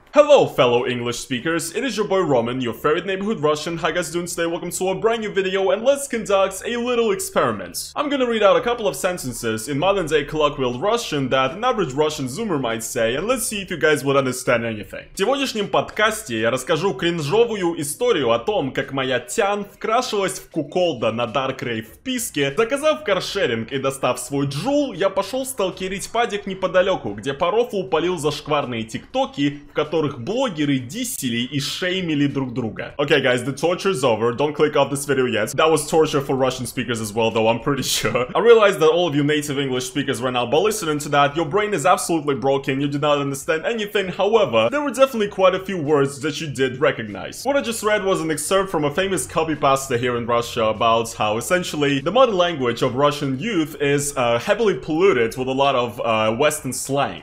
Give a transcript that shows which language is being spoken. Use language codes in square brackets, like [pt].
[en] Hello fellow English speakers, it is your boy Roman, your favorite neighborhood Russian. How you guys doing today? Welcome to a brand new video and let's conduct a little experiment. I'm gonna read out a couple of sentences in modern day colloquial Russian that an average Russian zoomer might say, and let's see if you guys would understand anything. [ru] В сегодняшнем подкасте я расскажу кринжовую историю о том, как моя тян вкрашилась в куколда на Dark Rave в Писке. Заказав каршеринг и достав свой джул, я пошел сталкерить падик неподалеку, где Парофу упалил за шкварные тиктоки, в которых блогеры диссили и шеймили друг друга. [en] Okay, guys, the torture is over. Don't click off this video yet. That was torture for Russian speakers as well, though, I'm pretty sure. I realize that all of you native English speakers right now, but listening to that, your brain is absolutely broken, you do not understand anything. However, there were definitely quite a few words that you did recognize. What I just read was an excerpt from a famous copypasta here in Russia about how, essentially, the modern language of Russian youth is heavily polluted with a lot of Western slang.